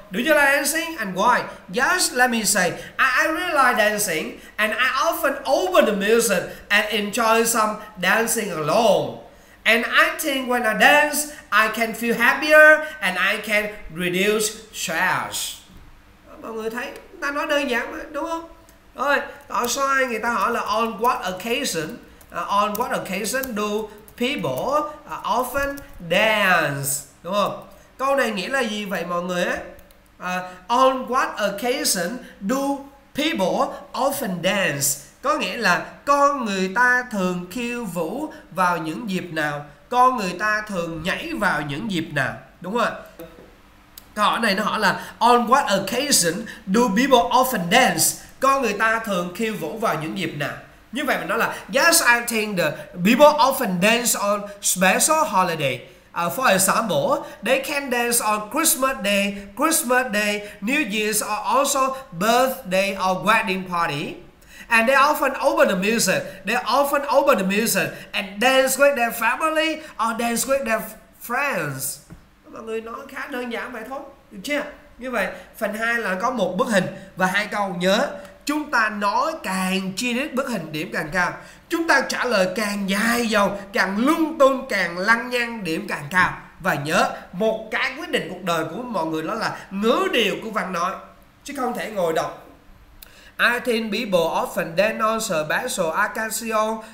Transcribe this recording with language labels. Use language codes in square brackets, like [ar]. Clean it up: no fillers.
[en] Do you like dancing and why? Just let me say I really like dancing and I often open the music and enjoy some dancing alone. And I think when I dance, I can feel happier and I can reduce stress. [vi] Mọi người thấy, ta nói đơn giản mà, đúng không? Rồi, tại sao người ta hỏi là [en] on what occasion do people often dance? [vi] Đúng không? Câu này nghĩa là gì vậy mọi người? [en] On what occasion do people often dance? [vi] Có nghĩa là con người ta thường khiêu vũ vào những dịp nào? Con người ta thường nhảy vào những dịp nào? Đúng không ạ? Câu hỏi này nó hỏi là [en] on what occasion do people often dance? [vi] Con người ta thường khiêu vũ vào những dịp nào? Như vậy mình nói là [en] yes, I think the people often dance on special holiday. For example, they can dance on Christmas Day, New Year's or also birthday or wedding party. And they often open the music and dance with their family or dance with their friends. [vi] Mọi người nói khá đơn giản vậy thôi, được chưa? Như vậy phần 2 là có một bức hình và hai câu. Nhớ, chúng ta nói càng chi tiết bức hình điểm càng cao, chúng ta trả lời càng dài dòng, càng lung tung, càng lăng nhăng điểm càng cao. Và nhớ, một cái quyết định cuộc đời của mọi người đó là ngữ điệu của văn nói, chứ không thể ngồi đọc. [en] I think people often dance on special occasion.